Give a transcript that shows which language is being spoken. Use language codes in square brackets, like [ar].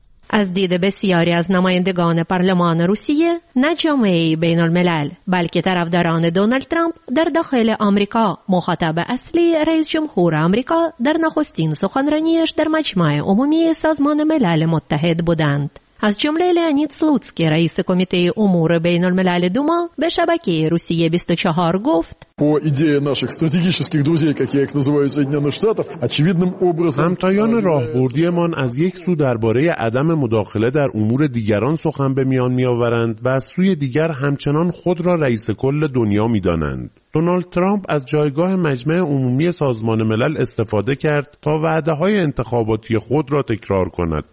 [fa] از دید بسیاری از نمایندگان پارلمان روسیه، نه جامعه بین الملل، بلکه طرفداران دونالد ترامپ در داخل آمریکا، مخاطب اصلی رئیس جمهور آمریکا در نخستین سخنرانیش در مجمع عمومی سازمان ملل متحد بودند. از جمله لئونید سلوتسکی، رئیس کمیته امور بین الملل دوما، به شبکه روسیه 24 گفت: [ru] По идее наших стратегических друзей, как я их называю, Соединенных Штатов, очевидным образом. [fa] همتایان راهبردی من از یک سو درباره عدم مداخله در امور دیگران سخن به میان می‌آورند و از سوی دیگر همچنان خود را رئیس کل دنیا می‌دانند. دونالد ترامپ از جایگاه مجمع عمومی سازمان ملل استفاده کرد تا وعده‌های انتخاباتی خود را تکرار کند.